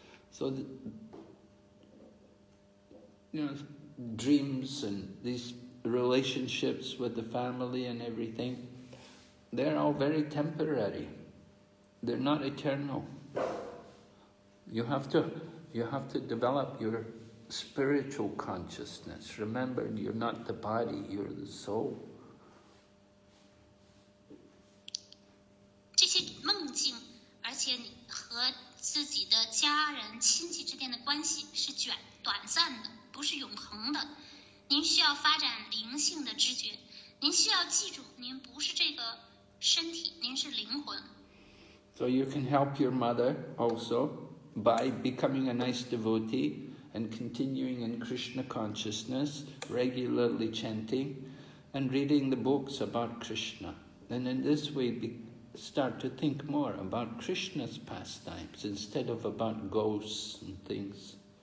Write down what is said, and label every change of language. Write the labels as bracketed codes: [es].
[en] So, dreams and these relationships with the family and everything, they're all very temporary. They're not eternal. You have to develop your spiritual consciousness. Remember, you're not the body, you're the soul. [zh] 这些梦境，而且和自己的家人、亲戚之间的关系是短暂的。不是永恒的，您需要发展灵性的知觉，您需要记住，您不是这个身体，您是灵魂。So [en] you can help your mother also by becoming a nice devotee and continuing in Krishna consciousness, regularly chanting and reading the books about Krishna. And in this way, start to think more about Krishna's pastimes instead of about ghosts and things.